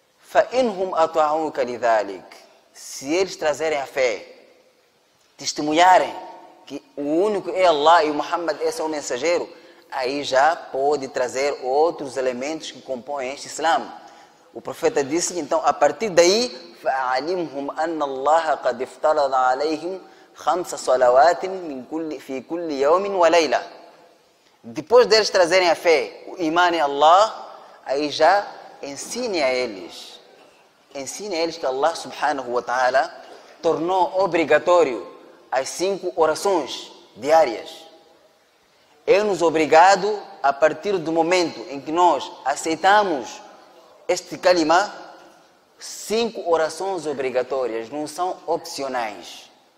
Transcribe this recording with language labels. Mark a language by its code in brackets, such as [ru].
[ar] فَإِنْهُمْ أَطَعُونُكَ لِذَلِكَ, [pt] se eles trazerem a fé, testemunharem que o único é Allah e o Muhammad é seu mensageiro, aí já pode trazer outros elementos que compõem este Islam. O profeta disse, então, a partir daí, [ar] فَعَلِمْهُمْ أَنَّ اللَّهَ قَدْ افْتَرَضَ عَلَيْهِمْ خَمْسَ صَلَوَاتٍ مِنْ كُلِّ فِي كُلِّ يَوْمٍ وَلَيْلَةٍ. [pt] Depois deles trazerem a fé, o iman em Allah, aí já ensine a eles que Allah subhanahu wa ta'ala tornou obrigatório as 5 orações diárias. É-nos obrigado, a partir do momento em que nós aceitamos este kalima, 5 orações obrigatórias, não são opcionais.